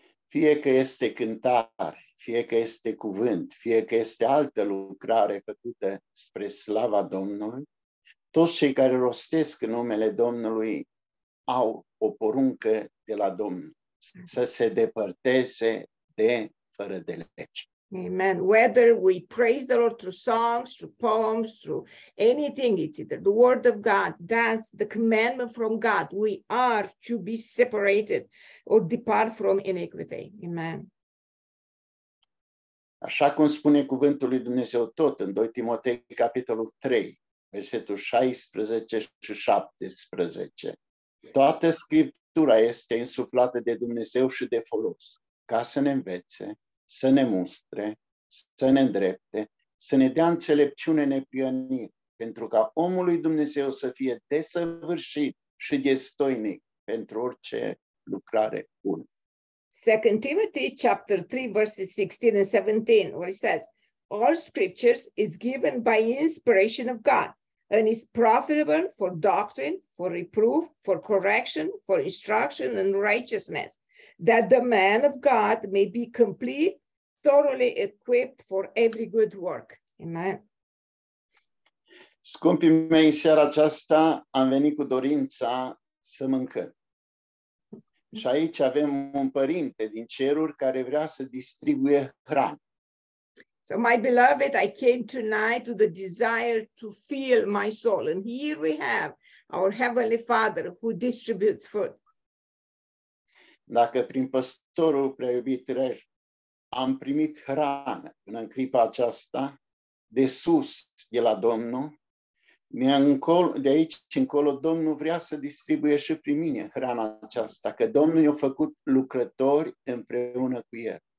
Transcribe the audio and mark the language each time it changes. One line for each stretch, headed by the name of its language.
Romanian: Fie că este cântare, fie că este cuvânt, fie că este altă lucrare făcută spre slava Domnului, toți cei care rostesc numele Domnului au o poruncă de la Domnul să se depărteze de fără de lege.
English: Amen. Whether we praise the Lord through songs, through poems, through anything, it's either the word of God, that's the commandment from God. We are to be separated or depart from iniquity. Amen.
Romanian: Așa cum spune cuvântul lui Dumnezeu tot în 2 Timotei, capitolul 3, versetul 16 și 17. Toată Scriptura este insuflată de Dumnezeu și de folos, ca să ne învețe, să ne mustre, să ne îndrepte, să ne dea înțelepciune neprihănire, pentru ca omul lui Dumnezeu să fie desăvârșit și destoinic pentru orice lucrare bună.
English: 2 Timothy chapter 3, verses 16 and 17, where it says, "All scriptures is given by inspiration of God and is profitable for doctrine, for reproof, for correction, for instruction in righteousness, that the man of God may be complete, thoroughly equipped for every good work." Amen.
Romanian: Scumpii mei, seara aceasta am venit cu dorința să mâncăm. Și aici avem un părinte din ceruri care vrea să distribuie hrană.
English: So my beloved, I came tonight with the desire to fill my soul. And here we have our Heavenly Father who distributes food.
Romanian: Dacă prin păstorul prea iubit Rej am primit hrană până în clipa aceasta, de sus, de la Domnul, de aici încolo Domnul vrea să distribuie și prin mine hrana aceasta, că Domnul i-a făcut lucrători împreună cu el.